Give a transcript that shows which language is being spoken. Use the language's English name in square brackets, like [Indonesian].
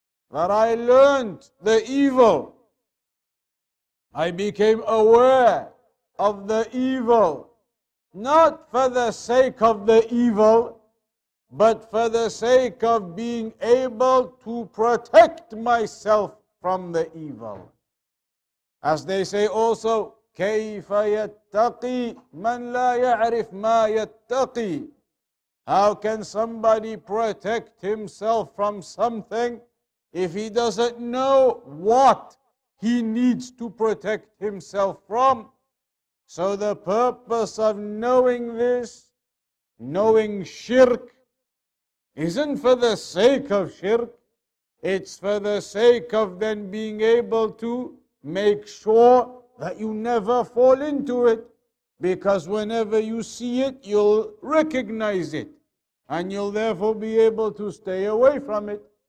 [English] That I learned the evil, I became aware of the evil, not for the sake of the evil, but for the sake of being able to protect myself from the evil. As they say also, [Arabic] كيف يتقي من لا يعرف ما يتقي. [English] How can somebody protect himself from something if he doesn't know what he needs to protect himself from? So the purpose of knowing this, knowing shirk, isn't for the sake of shirk, it's for the sake of then being able to make sure that you never fall into it, because whenever you see it, you'll recognize it, and you'll therefore be able to stay away from it.